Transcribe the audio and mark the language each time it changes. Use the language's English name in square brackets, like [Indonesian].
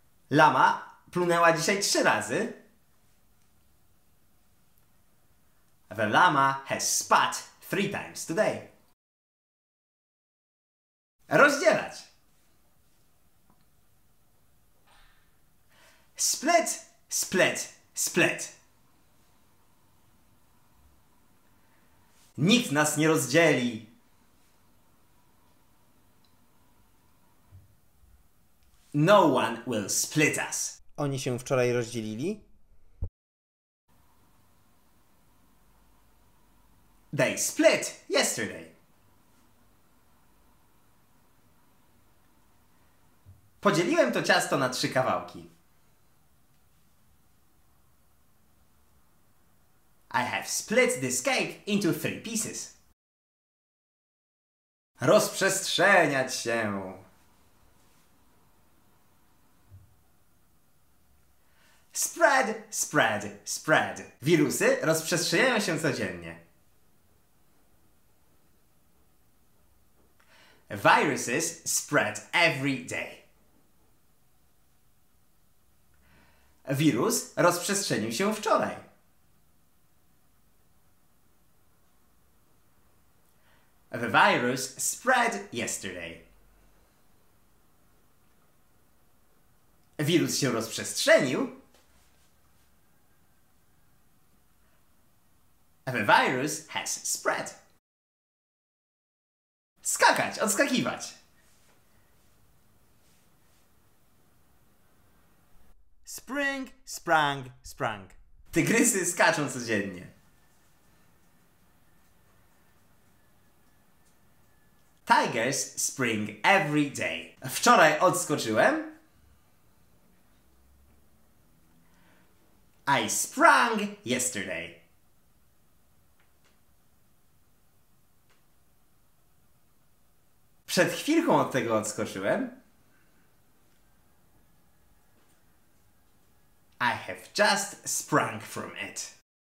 [Polish] Lama plunęła dzisiaj 3 razy. [English] The llama has spat 3 times today. [Polish] Rozdzielać. [English] Split, split. Split. [Polish] Nikt nas nie rozdzieli. [English] No one will split us. [Polish] Oni się wczoraj rozdzielili? [English] They split yesterday. [Polish] Podzieliłem to ciasto na 3 kawałki. [English] I have split this cake into 3 pieces. [Polish] Rozprzestrzeniać się. [English] Spread, spread, spread. [Polish] Wirusy rozprzestrzeniają się codziennie. [English] Viruses spread every day. [Polish] Wirus rozprzestrzenił się wczoraj. [English] The virus spread yesterday. [Polish] Wirus się rozprzestrzenił. [English] The virus has spread. [Polish] Skakać, odskakiwać. [English] Spring, sprang, sprang. [Polish] Tygrysy skaczą codziennie. [English] Tigers spring every day. [Polish] Wczoraj odskoczyłem. [English] I sprang yesterday. [Polish] Przed chwilką od tego odskoczyłem. [English] I have just sprung from it.